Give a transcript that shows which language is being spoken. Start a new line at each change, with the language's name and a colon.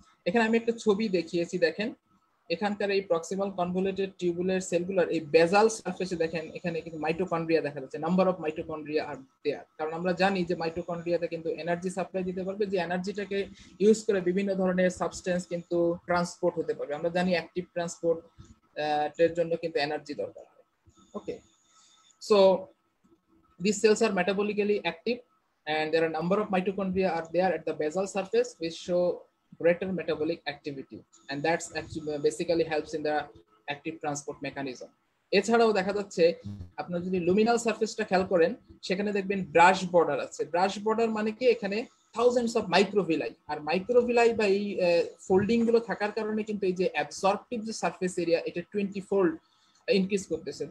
Bangla: এখানে আমি একটা ছবি দেখিয়েছি, দেখেন এখানকার এই প্রক্সিমাল কনভলিউটেড টিউবুলের সেলগুলোর এই বেজাল সারফেসে দেখেন এখানে কিন্তু মাইটোকন্ড্রিয়া দেখা যাচ্ছে,
English: number of mitochondria are there,
Bangla: কারণ আমরা জানি যে মাইটোকন্ড্রিয়াতে কিন্তু এনার্জি সাপ্লাই দিতে পারবে, যে এনার্জিটাকে ইউজ করে বিভিন্ন ধরনের সাবস্টেন্স কিন্তু ট্রান্সপোর্ট হতে পারবে। আমরা জানি অ্যাক্টিভ ট্রান্সপোর্টের জন্য কিন্তু এনার্জি দরকার হয়।
English: Okay, so these cells are metabolically active and there are number of mitochondria are there at the basal surface which show greater metabolic activity and that's actually basically helps in the active transport mechanism.
Bangla: এছাড়াও দেখা যাচ্ছে আপনি যদি luminal surface টা খেয়াল করেন সেখানে দেখবেন brush border আছে। brush border মানে কি, এখানে
English: thousands of microvilli
Bangla: আর microvilli বা এই folding গুলো থাকার কারণে কিন্তু এই যে absorptive যে surface area এটা 20 fold ইনক্রিজ করতেছে।